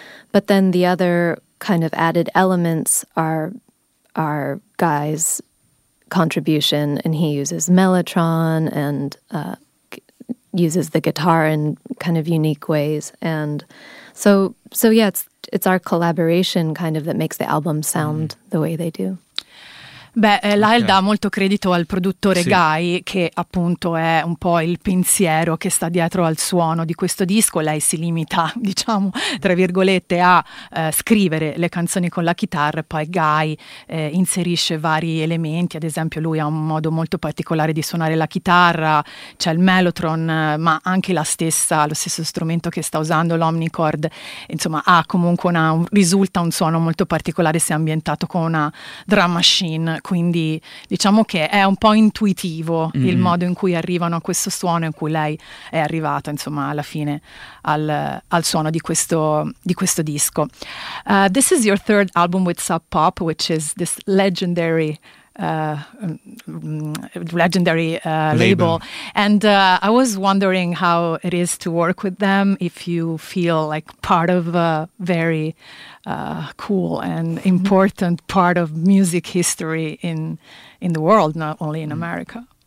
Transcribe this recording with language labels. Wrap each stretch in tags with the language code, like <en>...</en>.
<en>But then the other kind of added elements are Guy's contribution, and he uses Mellotron and uses the guitar in kind of unique ways. And so yeah, it's our collaboration kind of that makes the album sound mm-hmm. the way they do.</en> <it>Beh, Lyle okay. dà molto credito al produttore sì. Guy, che appunto è un po' il pensiero che sta dietro al suono di questo disco. Lei si limita, diciamo, tra virgolette, a scrivere le canzoni con la chitarra, e poi Guy inserisce vari elementi. Ad esempio, lui ha un modo molto particolare di suonare la chitarra, c'è il Mellotron, ma anche lo stesso strumento che sta usando, l'Omnichord. Insomma, ha comunque risulta un suono molto particolare se ambientato con una drum machine. Quindi diciamo che è un po' intuitivo mm-hmm. il modo in cui arrivano a questo suono, in cui lei è arrivata insomma alla fine al suono di questo disco.</it> <en>This is your third album with Sub Pop, which is this legendary label. And I was wondering how it is to work with them, if you feel like part of a very cool and important part of music history in the world, not only in America.</en>